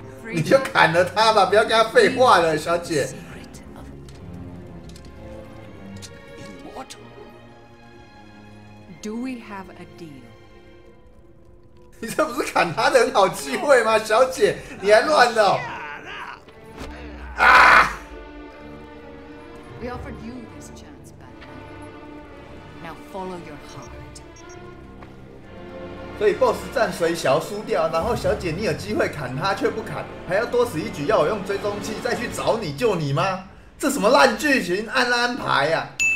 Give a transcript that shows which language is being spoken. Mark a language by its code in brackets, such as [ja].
[zh] 你就砍了他吧，不要跟他废话了，小姐。 [en] Do we have a deal? [zh] 你这不是砍他的很好机会吗，小姐？你还乱了！啊！ [en] We offered you this chance, Batman. Now follow your heart. [zh] 所以 BOSS 战虽小输掉，然后小姐你有机会砍他却不砍，还要多死一局，要我用追踪器再去找你救你吗？这什么烂剧情？安排啊！